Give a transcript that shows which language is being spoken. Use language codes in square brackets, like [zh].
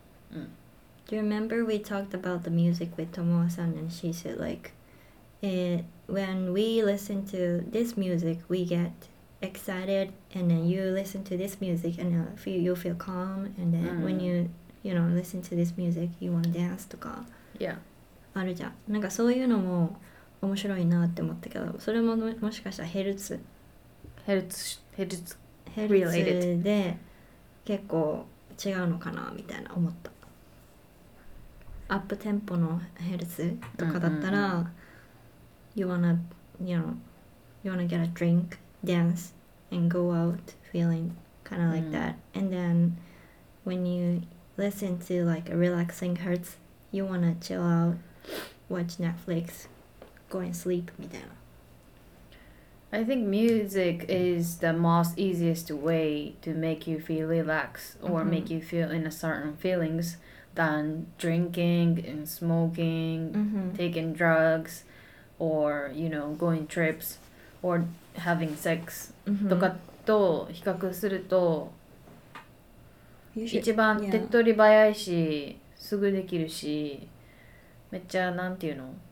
[en] Do you remember we talked about the music with Tomoa-san and she said like when we listen to this music we get excited and then you listen to this music and you feel calm and then、mm-hmm. when youYou know, listen to this music, you want to dance [ja] とか、 [en] yeah. [ja] あるじゃん。なんかそういうのも面白いなって思ったけど、それも もしかしたらヘルツ、ヘルツ、ヘルツ、ヘルツで結構違うのかなみたいな思った。アップテンポのヘルツとかだったら、mm-hmm. [en] you wanna get a drink, dance, and go out feeling kind of like that.、Mm. And then when youlisten to like a relaxing hertz you wanna chill out watch Netflix go and sleep [ja] みたいな [en] I think music is the most easiest way to make you feel relaxed or、mm-hmm. make you feel in a certain feelings than drinking and smoking、 mm-hmm. taking drugs or you know going trips or having sex、 mm-hmm. [ja] とかと比較すると一番手っ取り早いし、 [en] yeah. [ja] すぐできるしめっちゃなんていうの、